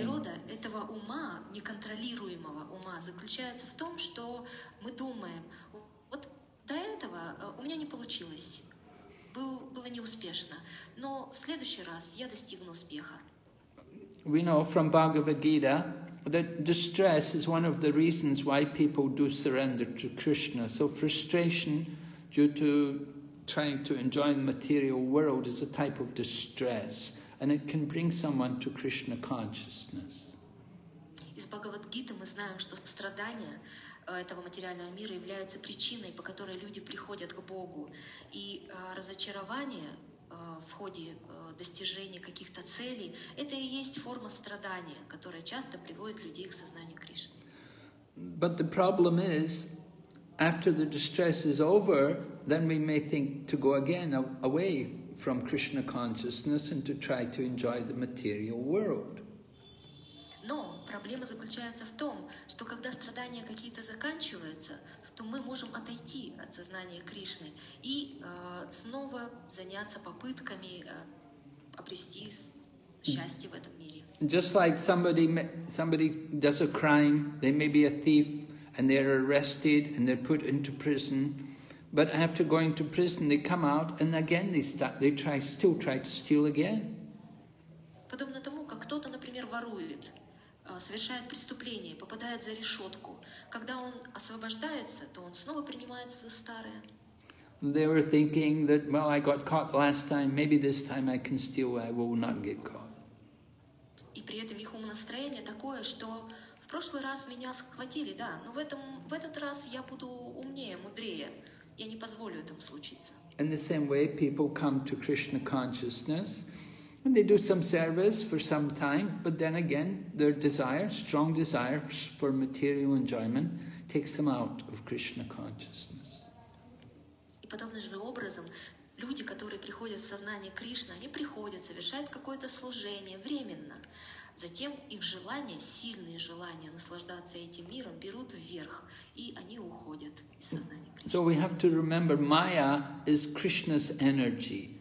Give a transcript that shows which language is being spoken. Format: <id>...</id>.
<ru>Природа этого ума, неконтролируемого ума, заключается в том, что мы думаем, вот до этого у меня не получилось, было неуспешно, но в следующий раз я достигну успеха.</ru> <en>We know from Bhagavad Gita that distress is one of the reasons why people do surrender to Krishna. So frustration due to trying to enjoy the material world is a type of distress, and it can bring someone to Krishna consciousness.</en> <ru>Из Бхагавад Гиты мы знаем, что страдания этого материального мира являются причиной, по которой люди приходят к Богу, и разочарование в ходе достижения каких-то целей, это и есть форма страдания, которая часто приводит людей к сознанию Кришны.</ru> <en>But the problem is, after the distress is over, then we may think to go again away from Krishna consciousness and to try to enjoy the material world.</en> <ru>Но проблема заключается в том, что когда страдания какие-то заканчиваются, то мы можем отойти от сознания Кришны и снова заняться попытками обрести счастье в этом мире.</ru> <en>Just like somebody does a crime, they may be a thief, and they're arrested and they're put into prison, but after going to prison, they come out and again they try to steal again.</en> <ru>Подобно тому, как кто-то, например, ворует, совершает преступление, попадает за решетку. Когда он освобождается, то он снова принимается за старое.</ru> <en>They were thinking that, well, I got caught last time, maybe this time I can steal, I will not get caught.</en> <ru>И при этом их умонастроение такое, что в прошлый раз меня схватили, да, но в этот раз я буду умнее, мудрее, я не позволю этому случиться.</ru> <en>In the same way, people come to Krishna consciousness, and they do some service for some time, but then again, their desire, strong desires for material enjoyment, takes them out of Krishna consciousness.</en> <ru>И подобным же образом, люди, которые приходят в сознание Кришны, они приходят, совершают какое-то служение временно. Затем их желания, сильные желания наслаждаться этим миром, берут вверх, и они уходят из сознания Кришны.</ru> <en>So we have to remember, Maya is Krishna's energy.</en>